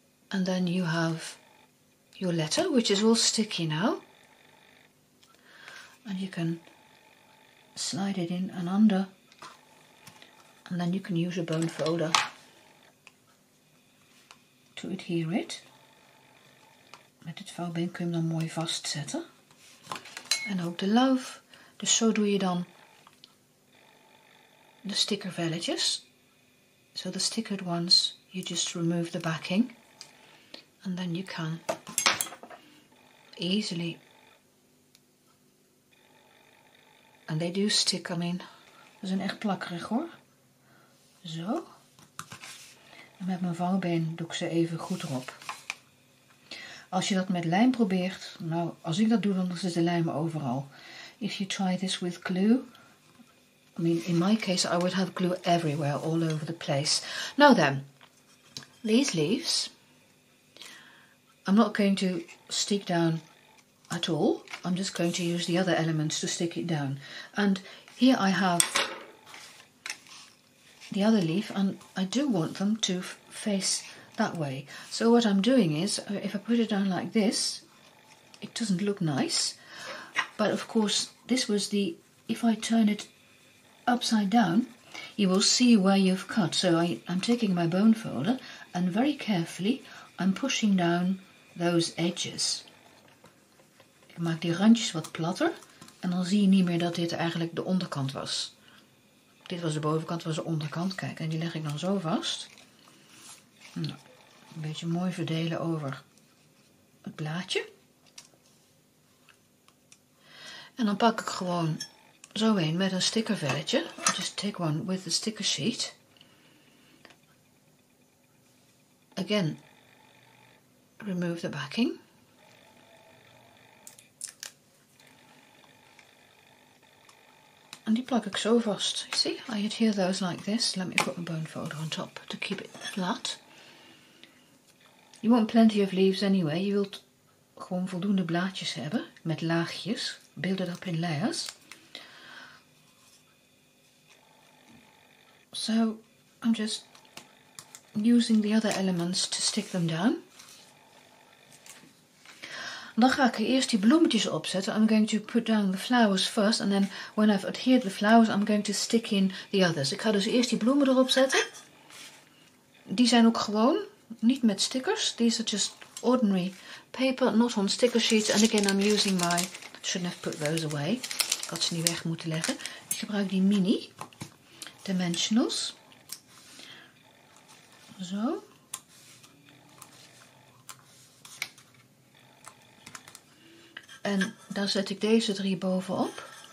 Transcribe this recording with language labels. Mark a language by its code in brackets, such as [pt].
[en] And then you have your letter, which is all sticky now. And you can slide it in and under, and then you can use a bone folder to adhere it. [nl] Met het vouwbeen kun je hem dan mooi vastzetten. En ook de love. Dus zo doe je dan de sticker velletjes. [en] So the stickered ones, you just remove the backing, and then you can easily. And they do stick, I mean. [nl] Ze zijn echt plakkerig hoor. Zo. En met mijn vouwbeen doe ik ze even goed erop. Als je dat met lijm probeert. Nou, als ik dat doe, dan zit de lijm overal. [en] If you try this with glue. I mean, in my case, I would have glue everywhere, all over the place. Now then. These leaves. I'm not going to stick down at all. I'm just going to use the other elements to stick it down. And here I have the other leaf, and I do want them to face that way. So what I'm doing is, if I put it down like this, it doesn't look nice. But of course, this was the, if I turn it upside down, you will see where you've cut. So I'm taking my bone folder, and very carefully, I'm pushing down those edges. [nl] Maak die randjes wat platter. En dan zie je niet meer dat dit eigenlijk de onderkant was. Dit was de bovenkant, was de onderkant. Kijk, en die leg ik dan zo vast. Nou, een beetje mooi verdelen over het blaadje. En dan pak ik gewoon zo een met een stickervelletje. [en] I'll just take one with the sticker sheet. Again, remove the backing. [nl] En die plak ik zo vast. [en] See, I adhere those like this. Let me put my bone folder on top to keep it flat. You want plenty of leaves anyway. [nl] Je wilt gewoon voldoende blaadjes hebben met laagjes. [en] Build it up in layers. So I'm just using the other elements to stick them down. [nl] Dan ga ik eerst die bloemetjes opzetten. [en] I'm going to put down the flowers first. And then when I've adhered the flowers, I'm going to stick in the others. [nl] Ik ga dus eerst die bloemen erop zetten. Die zijn ook gewoon, niet met stickers. [en] These are just ordinary paper, not on sticker sheets. And again, I'm using my... I shouldn't have put those away. [nl] Ik had ze niet weg moeten leggen. Ik gebruik die mini dimensionals. Zo. En dan zet ik deze drie bovenop.